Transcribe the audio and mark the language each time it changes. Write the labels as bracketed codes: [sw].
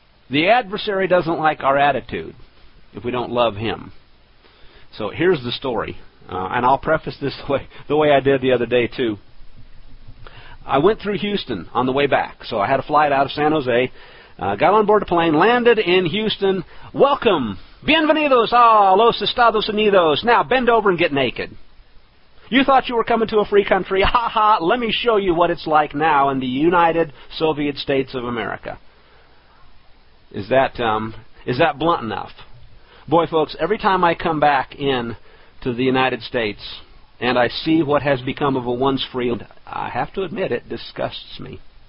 [en] The adversary doesn't like our attitude if we don't love him. So here's the story. And I'll preface this the way I did the other day, too. I went through Houston on the way back. So I had a flight out of San Jose, got on board the plane, landed in Houston. Welcome! [es] Bienvenidos a los Estados Unidos! [en] Now, bend over and get naked. You thought you were coming to a free country? Ha ha! Let me show you what it's like now in the United Soviet States of America. Is that blunt enough? Boy, folks, every time I come back in to the United States, and I see what has become of a once free, I have to admit, it disgusts me.